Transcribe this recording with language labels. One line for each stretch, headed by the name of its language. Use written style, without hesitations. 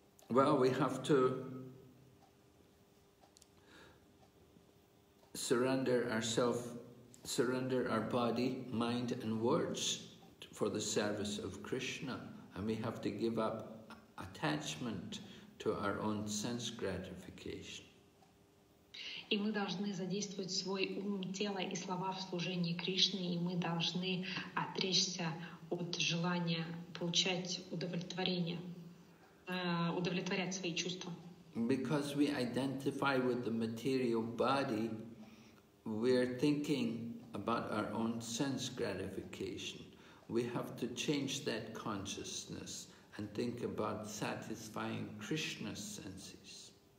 English: Well, we have to surrender ourselves, surrender our body, mind, and words for the service of Krishna. And we have to give up attachment to our own sense gratification.
Russian: И мы должны задействовать свой ум, тело и слова в служении Кришне, и мы должны отречься от желания получать удовлетворение, удовлетворять свои чувства.
English: Because we identify with the material body, we're thinking about our own sense gratification. We have to change that consciousness and think about satisfying Krishna's senses.